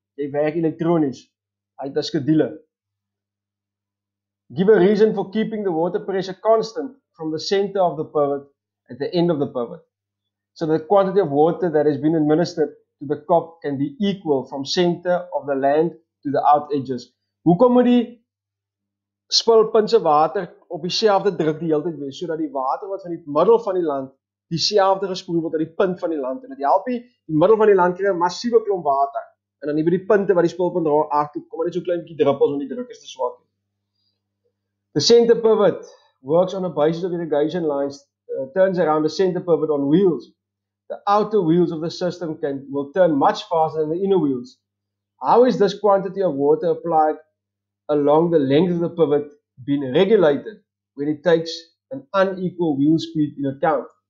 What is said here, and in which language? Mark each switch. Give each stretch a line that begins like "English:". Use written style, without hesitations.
Afrikaans: Jy werk elektronies. Hy het 'n skedule.
English: Give a reason for keeping the water pressure constant from the center of the pivot at the end of the pivot. So the quantity of water that has been administered to the cup can be equal from center of the land to the out edges.
Afrikaans: Hoekom moet die spulpunt se water op dieselfde druk die hele tyd wees sodat die water wat van die middel van die land dieselfde gespoel word uit die punt van die land en dit help die middel van die land kry 'n massiewe klomp water en dan nie by die punte waar die spulpunt daar agter kom maar net so klein bietjie druppels want die druk is te swak.
English: The center pivot works on a basis of irrigation lines turns around the center pivot on wheels. The outer wheels of the system will turn much faster than the inner wheels. How is this quantity of water applied along the length of the pivot being regulated when it takes an unequal wheel speed in account?